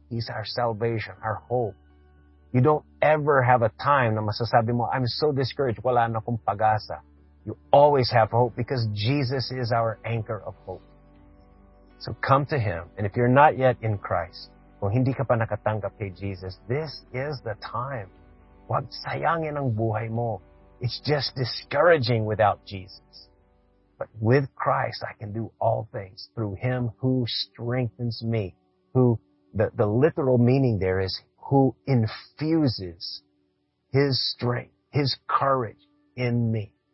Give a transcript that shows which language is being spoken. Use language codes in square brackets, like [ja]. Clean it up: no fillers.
[en] He's our salvation, our hope. You don't ever have a time [tl] na masasabi mo, [en] I'm so discouraged, [tl] wala na kong pag-asa. [en] You always have hope because Jesus is our anchor of hope. So come to Him. And if you're not yet in Christ, [tl] kung hindi ka pa nakatanggap kay Jesus, [en] this is the time. [tl] Huwag sayangin ang buhay mo. [en] It's just discouraging without Jesus. But with Christ, I can do all things through Him who strengthens me. The literal meaning there is who infuses His strength, His courage in me.